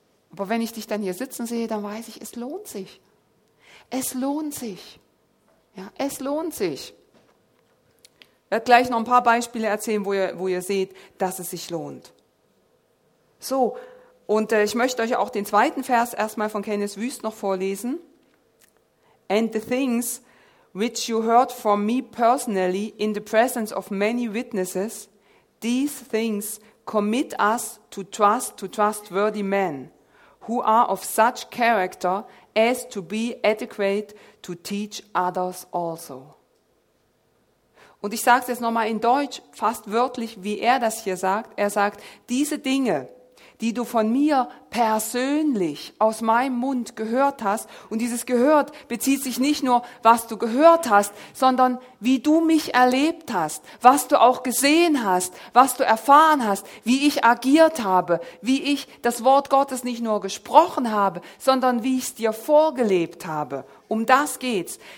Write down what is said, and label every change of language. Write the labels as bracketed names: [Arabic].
[German] Aber wenn ich dich dann hier sitzen sehe, dann weiß ich, es lohnt sich. Es lohnt sich. Ja, es lohnt sich. Ich werde gleich noch ein paar Beispiele erzählen, wo ihr seht, dass es sich lohnt. So, und ich möchte euch auch den zweiten Vers erstmal von Kenneth Wüst noch vorlesen. [English] And the things which you heard from me personally in the presence of many witnesses, these things commit us to trustworthy men, who are of such character as to be adequate to teach others also. [German] Und ich sage es jetzt nochmal in Deutsch, fast wörtlich, wie er das hier sagt. Er sagt, diese Dinge, die du von mir persönlich aus meinem Mund gehört hast. Und dieses gehört bezieht sich nicht nur, was du gehört hast, sondern wie du mich erlebt hast, was du auch gesehen hast, was du erfahren hast, wie ich agiert habe, wie ich das Wort Gottes nicht nur gesprochen habe, sondern wie ich es dir vorgelebt habe. Um das geht's.